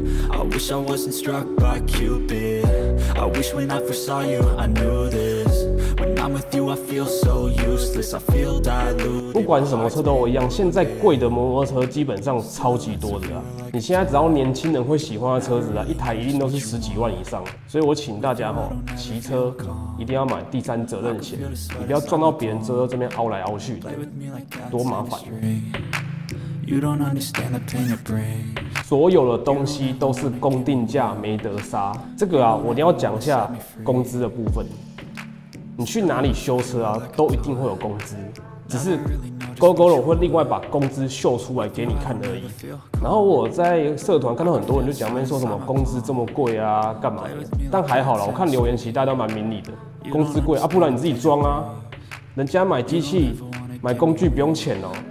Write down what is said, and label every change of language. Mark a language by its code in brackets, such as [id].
[en] I wish I wasn't struck by Cupid. I wish when I first saw you, I knew this. When I'm with you, I feel so useless. I feel diluted. [zh] 不管什么车都一样，现在贵的摩托车基本上超级多的啊。你现在只要年轻人会喜欢的车子啊，一台一定都是十几万以上。所以我请大家吼，骑车一定要买第三责任险，你不要撞到别人之后这边凹来凹去的，多麻烦。 [en] You don't understand the pain of brain. [zh] 所有的东西都是公定价没得杀，这个啊我一定要讲一下工资的部分。你去哪里修车啊都一定会有工资，只是 GoGoRo 会另外把工资秀出来给你看而已。然后我在社团看到很多人就讲说什么工资这么贵啊干嘛的，但还好啦，我看留言其实大家都蛮明理的，工资贵啊不然你自己装啊，人家买机器买工具不用钱哦。